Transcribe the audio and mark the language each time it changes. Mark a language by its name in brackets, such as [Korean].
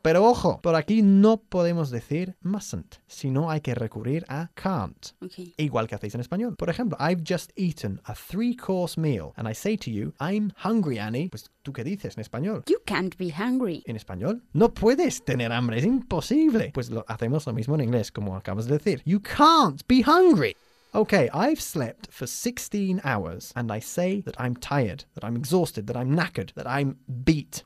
[Spanish] Pero ojo, por aquí no podemos decir mustn't, sino hay que recurrir a can't. [English] Okay. [Spanish] Igual que hacéis en español. Por ejemplo, [English] I've just eaten a 3-course meal and I say to you, I'm hungry, Annie. [Spanish] Pues, ¿tú qué dices en español? [English] You can't be hungry. [Spanish] ¿En español? No puedes tener hambre, es imposible. Pues lo hacemos lo mismo en inglés, como acabas de decir. [English] You can't be hungry. Okay, I've slept for 16 hours and I say that I'm tired, that I'm exhausted, that I'm knackered, that I'm beat.